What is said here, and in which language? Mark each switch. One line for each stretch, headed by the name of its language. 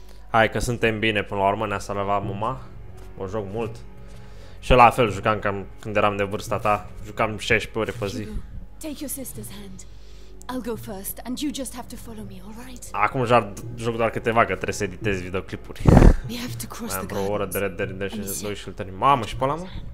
Romanian: Hai că suntem bine până la urmă, ne-a salvat mama. O joc mult. Și la fel jucam cam când eram de vârsta ta. Jucam 16 ore pe zi.
English: Take your sister's hand. I'll go first and you just have to follow me, all right?
Romanian: Acum joc doar câteva că trebuie să editez videoclipuri.
English: We have to cross the bridge.
Romanian: Am o oră de Red Dead Redemption 2 și îl termin. Mamă, și pe ăla, mă?